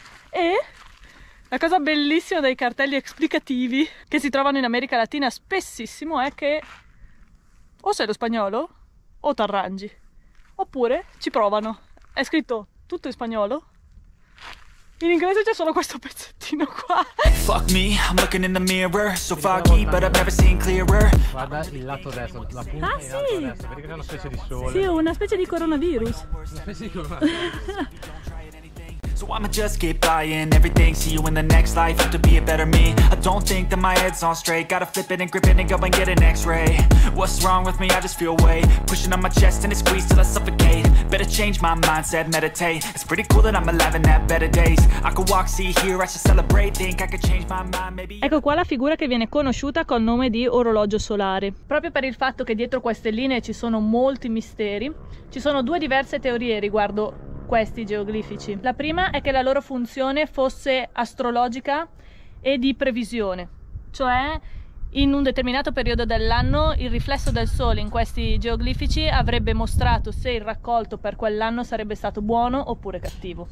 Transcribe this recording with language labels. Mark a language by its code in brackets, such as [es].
[it] E la cosa bellissima dei cartelli esplicativi che si trovano in America Latina spessissimo è che o sei lo spagnolo o t'arrangi, oppure ci provano, è scritto tutto in spagnolo. In inglese c'è solo questo pezzettino qua. [en] Fuck me, I'm looking in the mirror. So foggy, but I've never seen clearer. [it] Guarda il lato destro, la punta. Ah, sì. Vedi che è una specie di sole. Sì, una specie di coronavirus. Una specie di coronavirus. [en] So I'ma just keep buying everything. See you in the next life. Have to be a better me. I don't think that my head's on straight. Gotta flip it and grip it and go and get an x-ray. What's wrong with me? I just feel weight pushing on my chest and it squeezes till I suffocate. Better change my mindset, meditate. It's pretty cool that I'm alive and have better days. I could walk, see, hear, I should celebrate. Think I could change my mind, maybe. [it] Ecco qua la figura che viene conosciuta col nome di orologio solare. Proprio per il fatto che dietro queste linee ci sono molti misteri, ci sono due diverse teorie riguardo questi geoglifici. La prima è che la loro funzione fosse astrologica e di previsione, cioè in un determinato periodo dell'anno il riflesso del sole in questi geoglifici avrebbe mostrato se il raccolto per quell'anno sarebbe stato buono oppure cattivo.